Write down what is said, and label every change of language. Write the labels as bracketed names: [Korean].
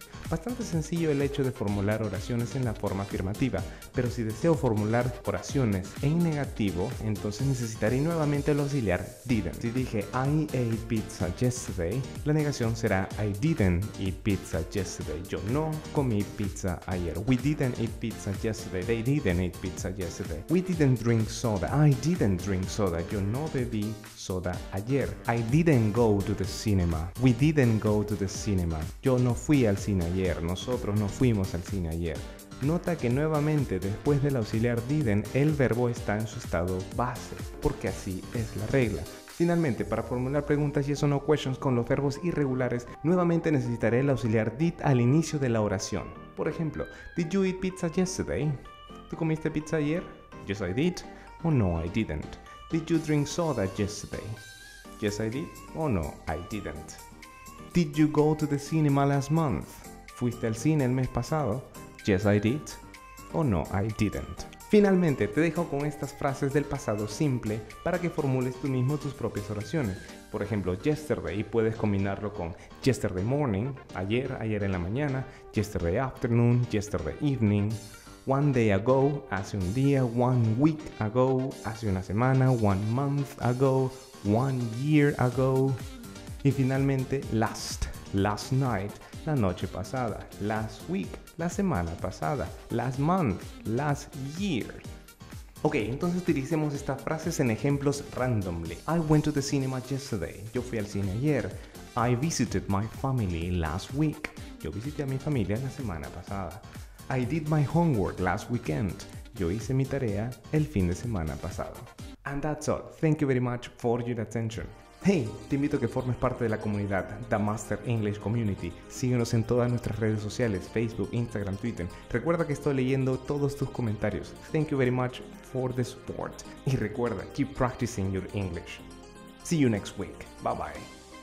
[Spanish] Bastante sencillo el hecho de formular oraciones en la forma afirmativa, pero si deseo formular oraciones en negativo, entonces necesitaré nuevamente el auxiliar didn't. Si dije [English] I ate pizza yesterday, [Spanish] la negación será [English] I didn't eat pizza yesterday. [Spanish] Yo no comí pizza ayer. [English] We didn't eat pizza yesterday. They didn't eat pizza yesterday. We didn't drink soda. I didn't drink soda. [Spanish] Yo no bebí soda ayer. [English] I didn't go to the cinema. We didn't go to the cinema. [Spanish] Yo no fui al cine ayer. Nosotros no fuimos al cine ayer. Nota que nuevamente después del auxiliar didn't, el verbo está en su estado base, porque así es la regla. Finalmente, para formular preguntas [English] yes or no questions [Spanish] con los verbos irregulares, nuevamente necesitaré el auxiliar did al inicio de la oración. [English] Por ejemplo, did you eat pizza yesterday? [Spanish] ¿Tú comiste pizza ayer? [English] Yes, I did. O no, I didn't. Did you drink soda yesterday? Yes, I did. [Spanish] O no, [English] I didn't. Did you go to the cinema last month? [Spanish] ¿Fuiste al cine el mes pasado? [English] Yes, I did. [Spanish] O no, [English] I didn't. [Spanish] Finalmente, te dejo con estas frases del pasado simple para que formules tú mismo tus propias oraciones. Por ejemplo, yesterday, puedes combinarlo con [English] yesterday morning, [Spanish] ayer, ayer en la mañana, [English] yesterday afternoon, yesterday evening. One day ago, [Spanish] hace un día, [English] one week ago, [Spanish] hace una semana, [English] one month ago, one year ago. [Spanish] Y finalmente, last, [English] last night, [Spanish] la noche pasada. [English] Last week, [Spanish] la semana pasada. [English] Last month, last year. [Spanish] Ok, entonces utilicemos estas frases en ejemplos randomly. [English] I went to the cinema yesterday. [Spanish] Yo fui al cine ayer. [English] I visited my family last week. [Spanish] Yo visité a mi familia la semana pasada. [English] I did my homework last weekend. [Spanish] Yo hice mi tarea el fin de semana pasado. [English] And that's all. Thank you very much for your attention. [Spanish] Hey, te invito a que formes parte de la comunidad The Master English Community. Síguenos en todas nuestras redes sociales, Facebook, Instagram, Twitter. Recuerda que estoy leyendo todos tus comentarios. [English] Thank you very much for the support. [Spanish] Y recuerda, [English] keep practicing your English. See you next week. Bye bye.